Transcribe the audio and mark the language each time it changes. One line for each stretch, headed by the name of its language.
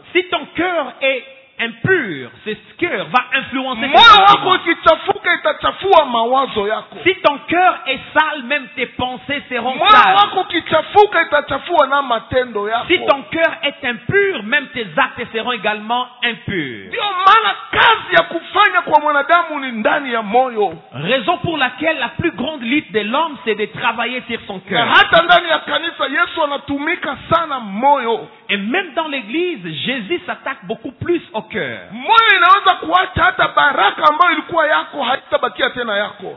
French: Si ton cœur est impur, ce cœur va influencer
Swahili: moyo wako ikichafuka itachafua mawazo yako.
French: Si ton cœur est sale, même tes pensées seront sales.
Swahili: Moyo wako ikichafuka itachafua na matendo yako.
French: Si ton cœur est impur, même tes actes seront également impurs.
Swahili: Ndio maana kazi ya kufanya kwa mwanadamu ni ndani ya moyo.
French: Raison pour laquelle la plus grande lutte de l'homme c'est de travailler sur son cœur.
Swahili: Hata ndani ya kanisa Yesu anatumika sana moyo.
French: Et même dans l'église, Jésus s'attaque beaucoup plus au cœur.
Swahili: Moyo inaweza kuacha hata baraka ambayo ilikuwa yako haitabakia tena yako.